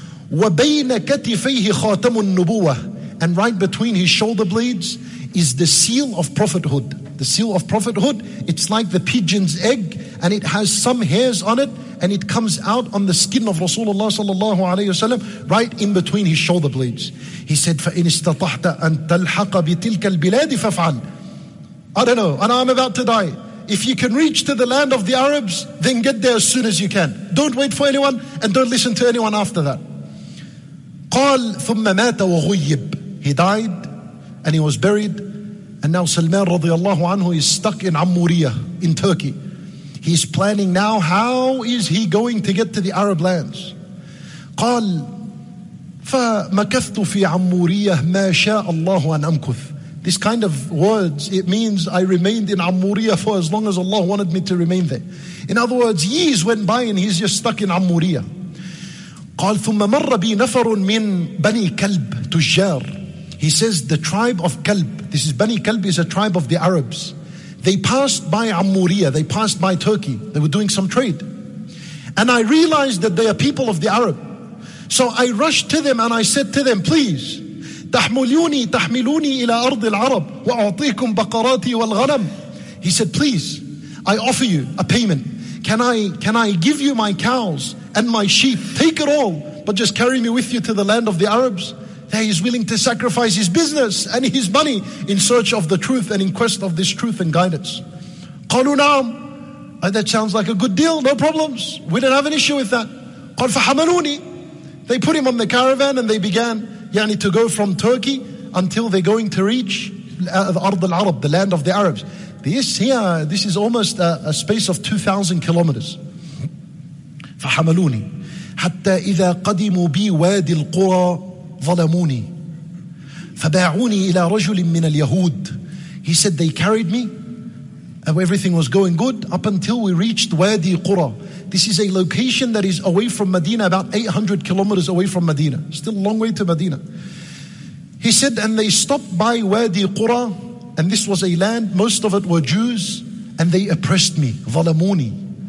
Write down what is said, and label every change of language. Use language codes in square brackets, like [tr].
[ar] وَبَيْنَ كَتِفَيْهِ خَاتَمُ النُّبُوَةِ. [en] And right between his shoulder blades is the seal of prophethood. The seal of prophethood, it's like the pigeon's egg, and it has some hairs on it, and it comes out on the skin of Rasulullah sallallahu alayhi wa sallam, right in between his shoulder blades. He said, [ar] فَإِنِ اسْتَطَحْتَ أَن تَلْحَقَ بِتِلْكَ الْبِلَادِ فَفْعَلْ. [en] I don't know, and I'm about to die. If you can reach to the land of the Arabs, then get there as soon as you can. Don't wait for anyone, and don't listen to anyone after that. [ar] قال ثم مات وغيب. [en] He died and he was buried, and now Salman رضي الله عنه is stuck in Amuriya in Turkey. He's planning now, how is he going to get to the Arab lands? [ar] قال فمكثت في عمورية ما شاء الله أن أمكث. [en] This kind of words, it means I remained in Amuriya for as long as Allah wanted me to remain there. In other words, years went by and he's just stuck in Amuriya. [ar] قال ثم مر بي نفر من بني كلب تجار. [en] He says the tribe of كلب, this is بني كلب, is a tribe of the Arabs. They passed by Amuriya, they passed by Turkey, they were doing some trade. And I realized that they are people of the Arab. So I rushed to them and I said to them, please, [ar] تحملوني تحملوني إلى أرض العرب وأعطيكم بقراتي والغنم. [en] He said, please, I offer you a payment. Can I give you my cows and my sheep? Take it all, but just carry me with you to the land of the Arabs. There he's willing to sacrifice his business and his money in search of the truth and in quest of this truth and guidance. [ar] قالوا نعم. [en] That sounds like a good deal, no problems. We don't have an issue with that. [ar] قال فحملوني. [en] They put him on the caravan and they began يعني to go from Turkey until they're going to reach [ar] أرض العرب, [en] the land of the Arabs. This here, this is almost a space of 2,000 kilometers. [ar] فحملوني حتى إذا قدموا بي وادي القرى ظلموني فباعوني إلى رجل من اليهود. [en] He said they carried me, everything was going good up until we reached Wadi Qura. This is a location that is away from Medina, about 800 kilometers away from Medina. Still a long way to Medina. He said, and they stopped by Wadi Qura, and this was a land, most of it were Jews, and they oppressed me, ظلموني.